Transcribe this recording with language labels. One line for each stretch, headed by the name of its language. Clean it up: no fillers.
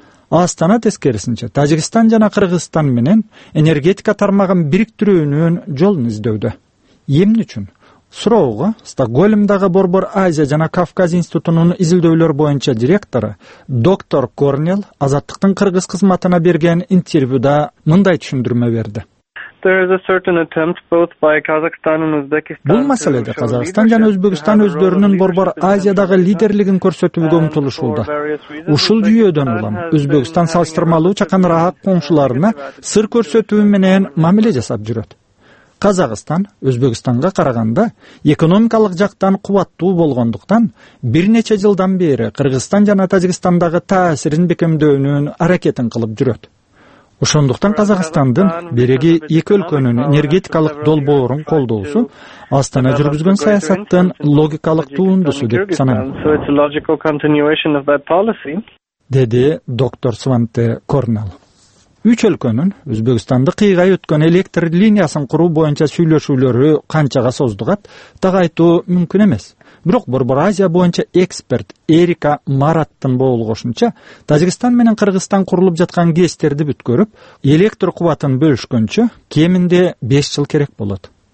Kyrgyz: Астана тескерисинче Тажикстан жана Кыргызстан менен энергетика тармагын бириктирүүнүн жолун издөөдө. Эмне үчүн? Суроого Стокгольмдагы Борбор Азия жана Кавказ институтунун изилдөөлөр боюнча директору доктор Корнел Азаттыктын кыргыз кызматына берген интервьюда мындай түшүндүрмө берди.
English: There is a certain attempt both by Kazakhstan and Uzbekistan.
Kyrgyz: Бул маселеде Казакстан жана Өзбекстан өздөрүнүн Борбор Азиядагы лидерлигин көрсөтүүгө умтулушулду. Ушул жүйөдөн улам Өзбекстан салыштырмалуу чакандыраак коңшуларына сыр көрсөтүү менен мамиле жасап жүрөт. Казакстан Өзбекстанга караганда экономикалык жактан кубаттуу болгондуктан бир нече жылдан бери Кыргызстан жана Тажикстандагы таасирин бекемдөөнүн аракетин кылып жүрөт. Ошондуктан Казакстандын береги эки өлкөнүн энергетикалык долбоорун колдоосу Астана жүргүзгөн саясаттын логикалык туундусу деп саналат. Деди доктор Сванте Корнел. Үч өлкөнүн Өзбекстанды кыйгай өткөн электр линиясын куруу боюнча сүйлөшүүлөрү канчага создугат, так айтуу мүмкүн эмес. Бирок Борбор Азия боюнча эксперт Эрика Мараттын болгошунча, Тажикстан менен Кыргызстан курулуп жаткан ГЭС-терди бүткөрүп, электр кубатын бөлүшкөнчө кеминде 5 жыл керек болот.